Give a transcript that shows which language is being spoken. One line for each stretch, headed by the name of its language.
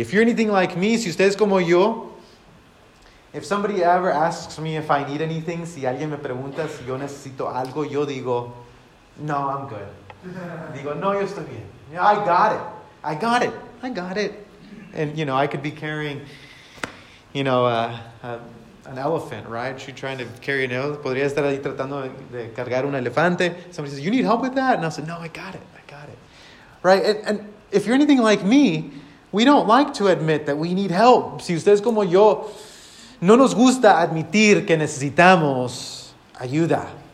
English: If you're anything like me,
Spanish: si usted es como yo,
English: if somebody ever asks me if I need anything,
Spanish: si alguien me pregunta si yo necesito algo, yo digo, no,
English: I'm good.
Spanish: Digo, no, yo estoy bien.
English: I got it. And, you know, I could be carrying, you know, an elephant, right? She's trying to carry an elephant.
Spanish: Podría estar ahí tratando de cargar un elefante.
English: Somebody says, you need help with that? And I'll say, no, I got it. Right? And if you're anything like me, we don't like to admit that we need help.
Spanish: Si usted es como yo, no nos gusta admitir que necesitamos ayuda.